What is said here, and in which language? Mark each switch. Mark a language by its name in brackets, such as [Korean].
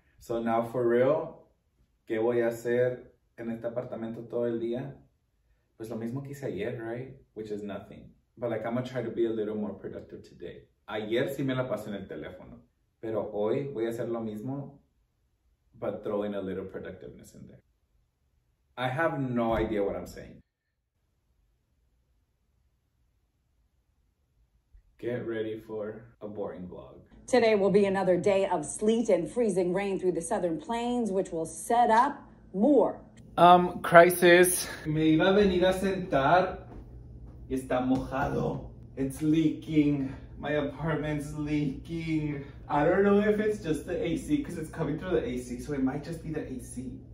[English] So now for real, [Spanish] ¿qué voy a hacer en este apartamento todo el día? Pues lo mismo que hice ayer, [English] right? Which is nothing. But like, I'm gonna try to be a little more productive today. [Spanish] Ayer sí me la pasé en el teléfono. Pero hoy voy a hacer lo mismo, [English] but throw in a little productiveness in there. I have no idea what I'm saying. Get ready for a boring vlog. Today will be another day of sleet and freezing rain through the southern plains, which will set up more. Crisis. [Spanish] Me iba a venir a sentar y está mojado. [English] It's leaking. My apartment's leaking. I don't know if it's just the AC because it's coming through the AC, so it might just be the AC.